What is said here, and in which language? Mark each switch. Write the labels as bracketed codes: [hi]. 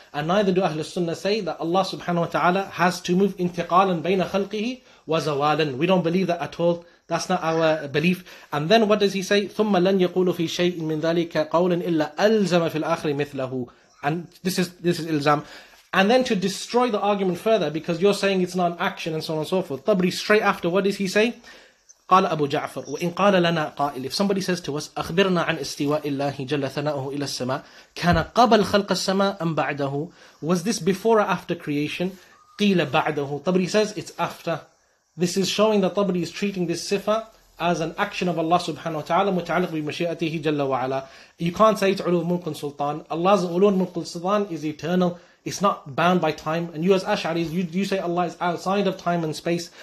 [en] And neither do Ahlul Sunnah say that Allah subhanahu wa ta'ala has to move [ar] intiqalan bayna khalqihi wa zawalan. [en] We don't believe that at all. That's not our belief. And then what does he say? [ar] ثُمَّ لَنْ يَقُولُ فِي شَيْءٍ مِّنْ ذَلِكَ قَوْلٍ إِلَّا أَلْزَمَ فِي الْآخْرِ مِثْلَهُ. [en] And this is ilzam. And then to destroy the argument further, because you're saying it's not an action and so on and so forth, Tabari straight after, what does he say? [ar] قال أبو جعفر وإن قال لنا قائل. [en] If somebody says to us, [ar] أخبرنا عن استواء الله جل ثناؤه إلى السماء, كان قبل خلق السماء أم بعده, [en] was this before or after creation? [ar] قيل بعده. [en] Tabari says it's after. This is showing that Tabari is treating this sifa as an action of Allah subhanahu wa ta'ala [ar] متعلق بمشيئته جل وعلا. [en] You can't say it's [ar] علو ملك سلطان. [en] Allah's علو ملك سلطان is eternal. It's not bound by time. And you as Ash'aris, you say Allah is outside of time and space.